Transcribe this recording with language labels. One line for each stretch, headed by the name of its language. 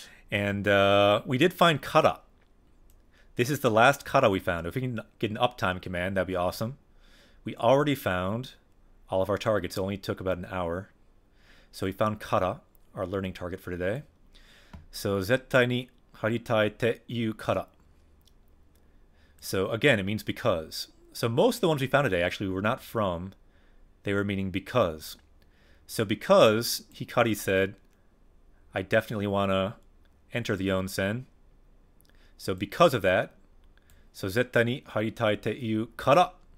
English: And we did find Kara. This is the last Kara we found. If we can get an uptime command, that'd be awesome. We already found all of our targets. It only took about an hour. So we found Kara, our learning target for today.
Japanese: So, 絶対に張りたいっていうから。
English: So, again, it means because. So, most of the ones we found today actually were not from, they were meaning because. So because Hikari said, I definitely want to enter the onsen. So because of that, so
Japanese: 絶対に入りたいって言うから.